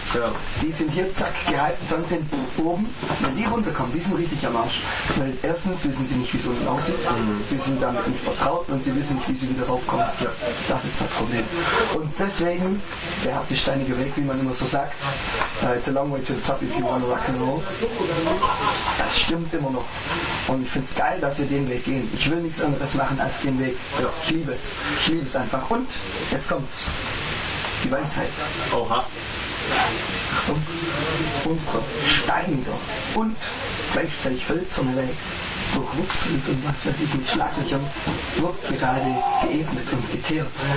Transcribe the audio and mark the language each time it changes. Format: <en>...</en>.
<de>Ja. Die sind hier, zack, gehalten, Fernsehen oben. Wenn die runterkommen, die sind richtig am Arsch. Weil erstens wissen sie nicht, wie so ein Inno aussieht. Mhm. Sie sind damit nicht vertraut und sie wissen nicht, wie sie wieder raufkommen. Ja. Das ist das Problem. Und deswegen, der hat die steinige Weg, wie man immer so sagt.</de> <en>It's a long way to the top if you want to rock and roll.</en> <de>Das stimmt immer noch. Und ich finde es geil, dass wir den Weg gehen. Ich will nichts anderes machen als den Weg. Ja. Ich liebe es. Ich liebe es einfach. Und jetzt kommt's. Die Weisheit. Oha. Achtung. Unsere steiniger und gleichzeitig hölzerne Weg, durchwurzelt und was weiß ich mit Schlaglöchern, wird gerade geebnet und geteert.</de>